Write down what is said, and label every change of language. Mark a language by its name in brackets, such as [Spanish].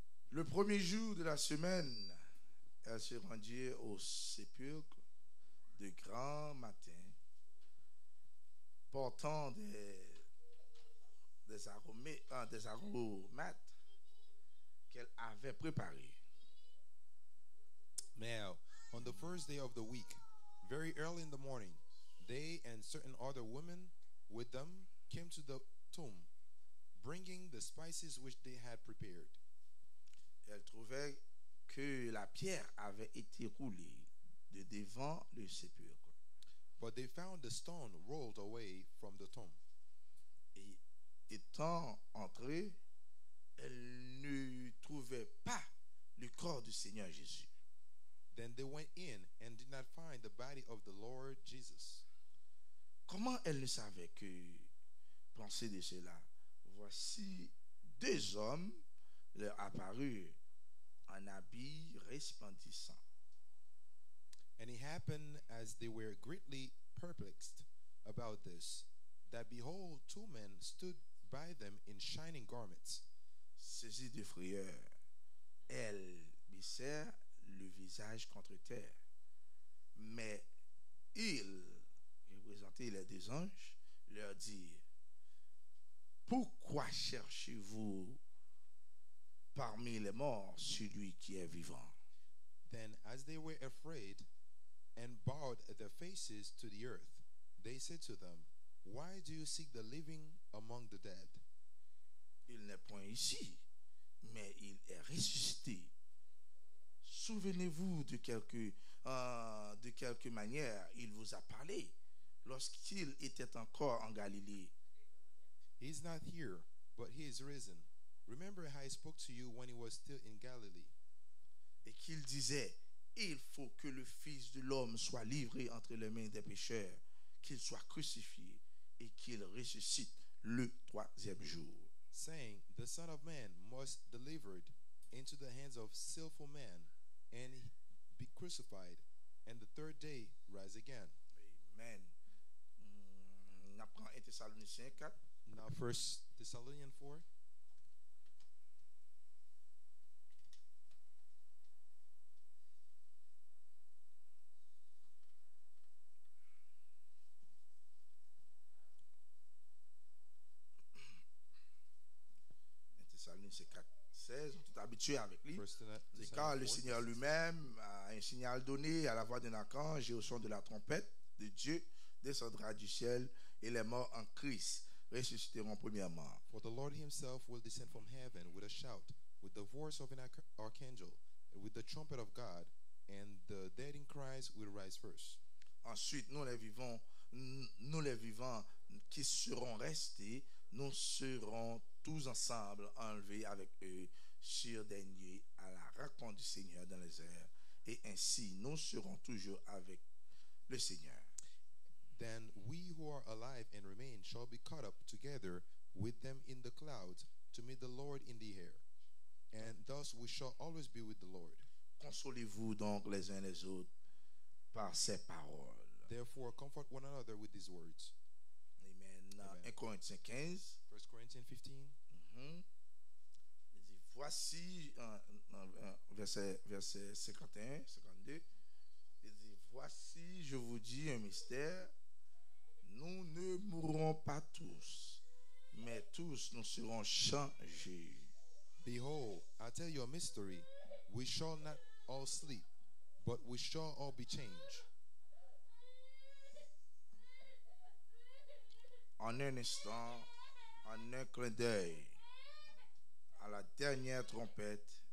[French] Le premier jour de la semaine, elle se rendit au sépulcre de grand matin, portant des aromates qu'elle avait préparés. [English] Now, on the first day of the week, very early in the morning, they and certain other women with them came to the tomb, bringing the spices which they had prepared. [French] Elle trouvait que la pierre avait été roulée de devant le sépulcre. [English] But they found the stone rolled away from the tomb. [French] Et étant entrée, elle ne trouvait pas le corps du Seigneur Jésus. [English] Then they went in and did not find the body of the Lord Jesus. [French] Comment elle ne savait que penser de cela? Voici deux hommes leur apparurent en habit resplendissant. [English] And it happened as they were greatly perplexed about this, that behold, two men stood by them in shining garments. [French] Saisie de frayeur, elle baissait le visage contre terre. Mais ils, représentés les deux anges, leur dirent: Pourquoi cherchez-vous parmi les morts celui qui est vivant? [English] Then, as they were afraid and bowed their faces to the earth, they said to them, Why do you seek the living among the dead? [French] Il n'est point ici, mais il est ressuscité. Souvenez-vous de quelque manière il vous a parlé lorsqu'il était encore en Galilée. [English] He is not here, but he is risen. Remember how he spoke to you when he was still in Galilee. [French] Et qu'il disait, il faut que le Fils de l'homme soit livré entre les mains des pécheurs, qu'il soit crucifié et qu'il ressuscite le troisième jour. [English] Saying, the Son of Man must be delivered into the hands of sinful men and be crucified and the third day rise again. [French] Amen. On apprend 1 Thessaloniciens 4. [English] Now, 1 Thessalonians 4. [French] Thessalonians 4:16. On est habitué avec lui. Car le Seigneur lui-même a un signal donné à la voix d'un archange et au son de la trompette de Dieu descendra du ciel et les morts en Christ ressusciteront premièrement. [English] For the Lord himself will descend from heaven with a shout, with the voice of an archangel, with the trumpet of God, and the dead in Christ will rise first. [French] Ensuite, nous les vivants qui serons restés, nous serons tous ensemble enlevés avec eux sur des nuées à la rencontre du Seigneur dans les airs, et ainsi nous serons toujours avec le Seigneur. [English] Then we who are alive and remain shall be caught up together with them in the clouds to meet the Lord in the air. And thus we shall always be with the Lord. [French] Consolez-vous donc les uns les autres par ces paroles. [English] Therefore, comfort one another with these words. [French] Amen. 1 Corinthiens 15. 1 Corinthiens 15. Mm-hmm. Il dit, voici, verset 51, 52. Il dit, voici, je vous dis un mystère. Nous ne mourrons pas tous, mais tous nous serons changés. [English] Behold, I tell you a mystery. We shall not all sleep, but we shall all be changed. [French] En un instant, en un clin d'œil, à la dernière trompette,